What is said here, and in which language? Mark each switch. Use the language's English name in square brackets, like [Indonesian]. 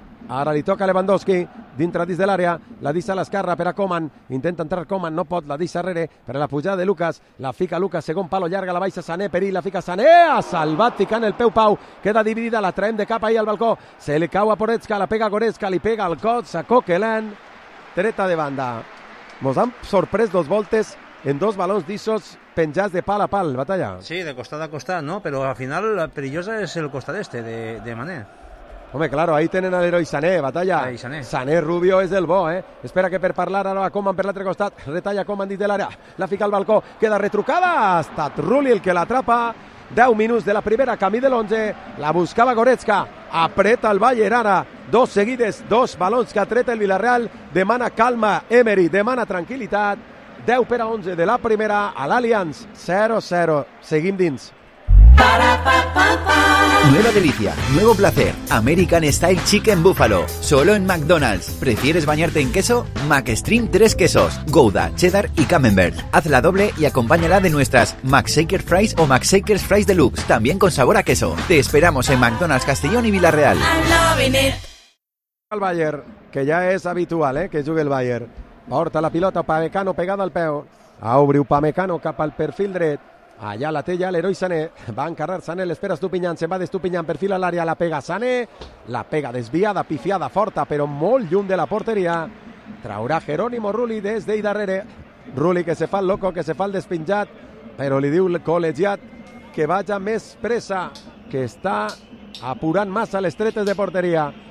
[Catalan] Ara li toca Lewandowski, dintre, dins de l'àrea, la deixa a l'esquerra per a Coman, intenta entrar Coman, no pot, la deixa arrere per a la pujada de Lucas, la fica Lucas, segon palo llarga, la baixa Sané, perill, la fica Sané, ha salvat, ficant el peu Pau, queda dividida, la traem de cap ahí al balcó, se li cau a Poretska, la pega Goretska, li pega el cot, sacó Kelen, treta de banda. Mos han sorprès dos voltes en dos balons d'issos penjats de pal a pal, batalla. Sí, de costat a costat, no? Però al final la perillosa és el costat este de Mané. [Spanish] Home, claro, ahí tienen al héroe Sané, batalla. Ahí, Sané. [Catalan] Sané Rubio es del bo, ¿eh? Espera que per parlar ahora a Coman per l'altre costat. Retalla Coman dins de l'àrea. La fica al balcó. Queda retrucada. [Spanish] Hasta Trulli el que la atrapa. [Catalan] 10 minuts de la primera, camí de l'11. La buscava Goretska. Apreta el Bayern ara. Dos seguides, dos balons que atreta el Villarreal. Demana calma, Emery. Demana tranquil·litat. 10 per a 11 de la primera a l'Allianz. 0-0. Seguim dins. [Spanish] Nueva delicia, nuevo placer. American Style Chicken Buffalo. Solo en McDonald's. ¿Prefieres bañarte en queso? McStream 3 quesos. Gouda, cheddar y camembert. Haz la doble y acompáñala de nuestras McShaker Fries o McShaker Fries Deluxe. También con sabor a queso. Te esperamos en McDonald's Castellón y Villarreal. Al Bayern, que ya es habitual, ¿eh? Que juegue el Bayern. [Catalan] Porta la pilota, Pamecano pegada al peo. Obre Pamecano cap al perfil dret. Allà la té ja l'heroi Sané, va encarrar Sané, l'espera Estupiñán, se va d'Estupiñán, perfila l'àrea, la pega Sané, la pega desviada, pifiada, forta, però molt lluny de la porteria. Traurà Jerónimo Rulli des d'ell darrere. Rulli que se fa el loco, que se fa el despinjat, però li diu el col·legiat que vaja més pressa, que està apurant massa les tretes de porteria.